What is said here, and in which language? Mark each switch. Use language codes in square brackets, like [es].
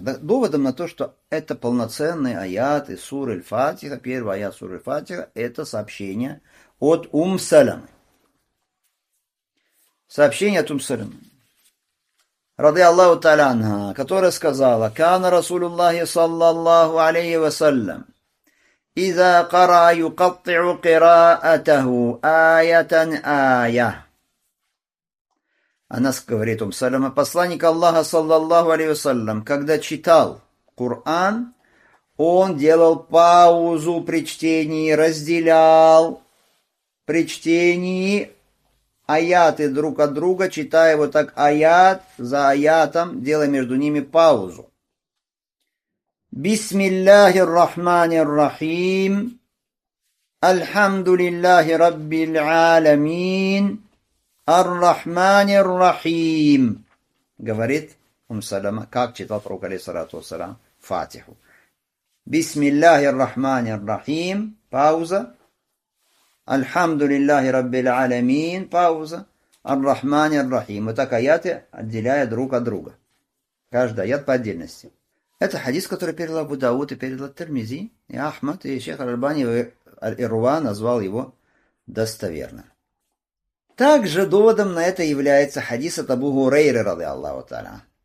[ru] Доводом на то, что это полноценный аят из суры Аль-Фатиха, первый аят суры Аль-Фатиха, это сообщение от Ум-Салям. Сообщение от Ум-Салям. Ради Аллаху Таляна, которая сказала, [ar] «Кана Расулуллахи саллаллаху алейхи вассалям». إذا قرأ يقطع قراءته آية آية. [ru] Она говорит Ум-Салама, посланник Аллаха, саллаллаху алейхи вассалям, когда читал Коран, он делал паузу при чтении, разделял при чтении аяты друг от друга, читая вот так аят за аятом, делая между ними паузу. [ar] بسم الله الرحمن الرحيم الحمد لله رب العالمين الرحمن الرحيم [ru] говорит Ум-Салама, как читал пророк алейхиссалату вассалям Фатиху. [ar] بسم الله الرحمن الرحيم [ru] пауза. [ar] الحمد لله رب العالمين пауза. الرحمن الرحيم. [ru] Вот так аяты отделяя друг от друга. Каждый аят по отдельности. Это хадис, который передал Абу Дауд и передал Тирмизи, и Ахмад, и шейх Аль-Албани Ар-Руа назвал его достоверным. Также доводом на это является хадис от Абу Хурейры, ради Аллаху Та'ала.